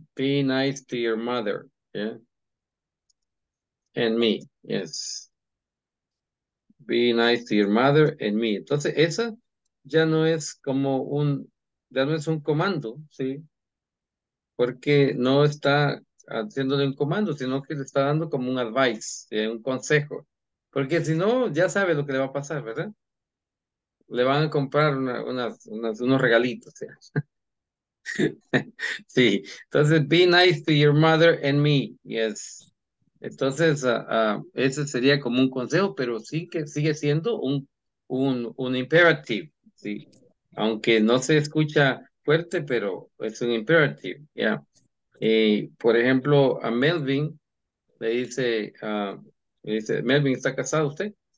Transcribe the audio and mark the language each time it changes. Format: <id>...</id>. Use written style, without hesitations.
<en>Be nice to your mother. Yeah. And me, yes. be nice to your mother and me.</en> <es>Entonces, esa ya no es como un, ya no es un comando, ¿sí? Porque no está haciéndole un comando, sino que le está dando como un advice, ¿sí? Un consejo. Porque si no, ya sabe lo que le va a pasar, ¿verdad? Le van a comprar unos regalitos, ¿sí? Sí, entonces,</es> <en>be nice to your mother and me, yes.</en> <es>Entonces, ese sería como un consejo, pero sí que sigue siendo un imperative, ¿sí? Aunque no se escucha fuerte, pero es un imperative, ¿ya? Yeah. Por ejemplo, a Melvin le dice, Melvin, ¿está casado usted?</es>